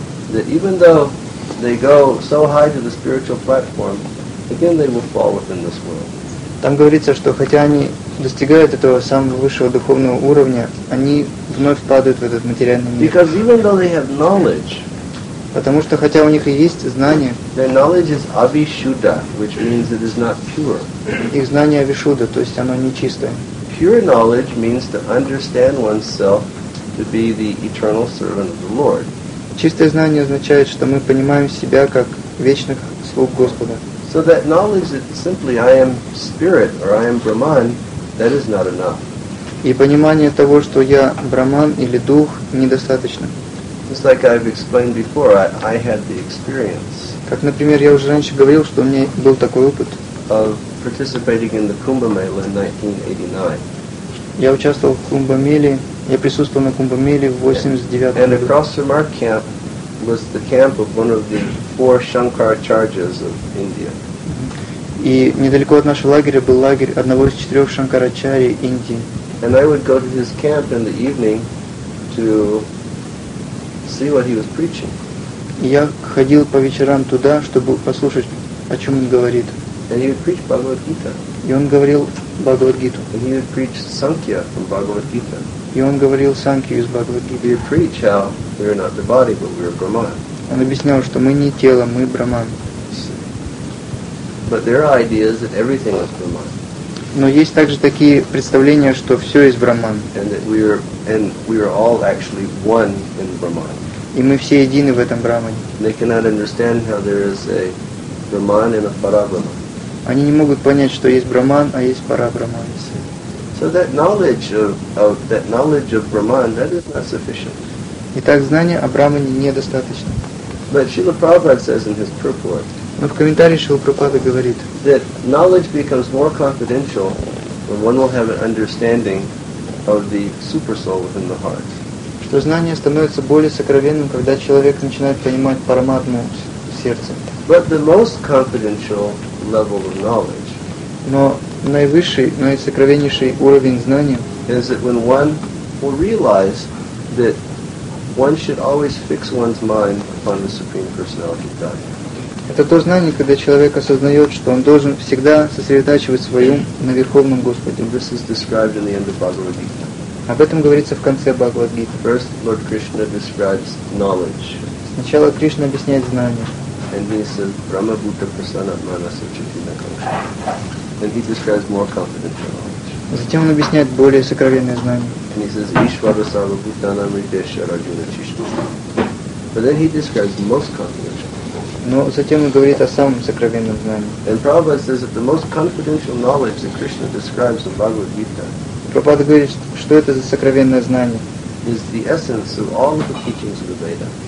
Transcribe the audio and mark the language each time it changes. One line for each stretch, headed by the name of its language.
English: That even though they go so high to the spiritual platform, again they will fall within this world.
Russian: Там говорится, что хотя они достигают этого самого высшего духовного уровня, они вновь падают в этот материальный мир.
English: Because even though they have knowledge,
Russian: потому что хотя у них и есть знание,
English: their knowledge is avishuddha, which means it is not pure.
Russian: Их знание авишудда, то есть оно нечистое.
English: Pure knowledge means to understand oneself to be the eternal servant of the Lord.
Russian: Чистое знание означает, что мы понимаем себя как вечных слуг Господа.
English: So that knowledge that simply I am spirit or I am Brahman, that is not enough.
Russian: И понимание того, что я Брахман или Дух, недостаточно.
English: Just like I've explained before, I had the experience.
Russian: Как, например, я уже раньше говорил, что у меня был такой опыт.
English: Of participating in the Kumbh Mela in 1989.
Russian: Я участвовал в Кумбамеле, я присутствовал на Кумбамеле в 89 году.
English: And across from our camp was the camp of one of the four Shankaracharyas of India.
Russian: И недалеко от нашего лагеря был лагерь одного из четырех Шанкарачарий Индии.
English: And I would go to his camp in the evening to see what he was preaching.
Russian: Я ходил по вечерам туда, чтобы послушать, о чем он говорит.
English: And he would preach Bhagavad Gita.
Russian: И он говорил Бхагавад-гиту.
English: And he would preach Sankhya from Bhagavad-gita.
Russian: И он говорил Санкхью из Бхагавад-гиты.
English: He would preach how we are not the body, but we are Brahman.
Russian: Он объяснял, что мы не тело, мы Брахман.
English: But there are ideas that everything is Brahman.
Russian: Но есть также такие представления, что все есть Брахман.
English: And that we are all actually one in Brahman.
Russian: И мы все едины в этом Брахмане.
English: They cannot understand how there is a Brahman and a Parabrahman.
Russian: Они не могут понять, что есть Брахман, а есть Парабрахман.
English: So that knowledge of Brahman, that is not sufficient.
Russian: Итак, знание о Брахмане недостаточно.
English: But Srila Prabhupada says in his purport.
Russian: Но в комментарии Шрила Прабхупада говорит.
English: That knowledge becomes more confidential when one will have an understanding of the super soul within the heart.
Russian: Что знание становится более сокровенным, когда человек начинает понимать Параматму в сердце.
English: But the most confidential level of knowledge.
Russian: Но наивысший, наисокровеннейший уровень знания
English: is that when one will realize that one should always fix one's mind upon the Supreme Personality of Godhead.
Russian: Это то знание, когда человек осознает, что он должен всегда сосредотачивать свой ум на Верховном Господе.
English: This is described in the end of Bhagavad Gita.
Russian: Об этом говорится в конце Бхагавад Гиты.
English: First, Lord Krishna describes knowledge.
Russian: Сначала Кришна объясняет знание.
English: And he says,
Sanskrit: Brahma Bhuta Prasanna Manasa Chitina Kamsha.
English: And he describes more confidential knowledge.
Russian: Затем он объясняет более сокровенное знание.
English: And he says,
Sanskrit: Ishvara Sarva Bhutana Mridesha Rajuna Chishtuna.
English: But then he describes the most confidential knowledge.
Russian: Но затем он говорит о самом сокровенном знании.
English: And Prabhupada says that the most confidential knowledge that Krishna describes in Bhagavad Gita.
Russian: Prabhupada говорит, что это за сокровенное знание.
English: Is the essence of all of the teachings of the Veda.